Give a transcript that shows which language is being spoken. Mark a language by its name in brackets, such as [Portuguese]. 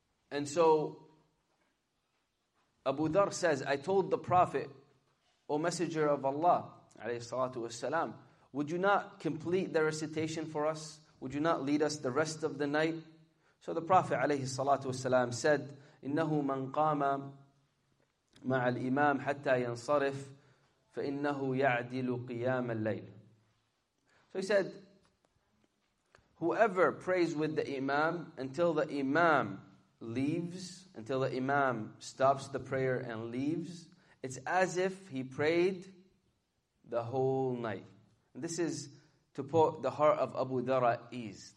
[English] And so, Abu Dharr says, I told the Prophet, O Messenger of Allah, alayhi salatu wasalam, would you not complete the recitation for us? Would you not lead us the rest of the night? So the Prophet, alayhi salatu wasalam, said, [Arabic] إِنَّهُ مَنْ قَامَ مع الإمام حتى ينصرف فإنه يعدل قيام الليل. [English] So he said, whoever prays with the Imam until the Imam leaves, until the Imam stops the prayer and leaves, it's as if he prayed the whole night. And this is to put the heart of Abu Dharr at ease.